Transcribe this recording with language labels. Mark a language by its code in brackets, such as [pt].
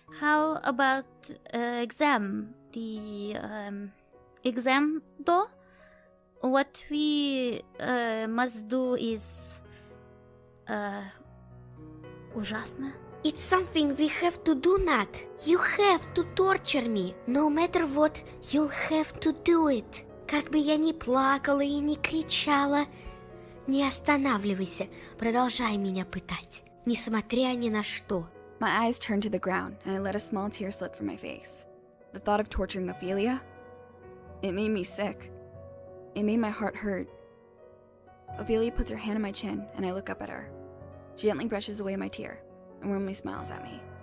[en] How about exam? The exam, though? What we must do is... [ru] ужасно. [en] It's something we have to do, Nat. You have to torture me. No matter what, you'll have to do it. [ru] Как бы я ни плакала и ни кричала, не останавливайся, продолжай меня пытать, несмотря ни на что. [en] My eyes turned to the ground, and I let a small tear slip from my face. The thought of torturing Ophelia? It made me sick. It made my heart hurt. Ophelia puts her hand on my chin, and I look up at her. She gently brushes away my tear, and warmly smiles at me.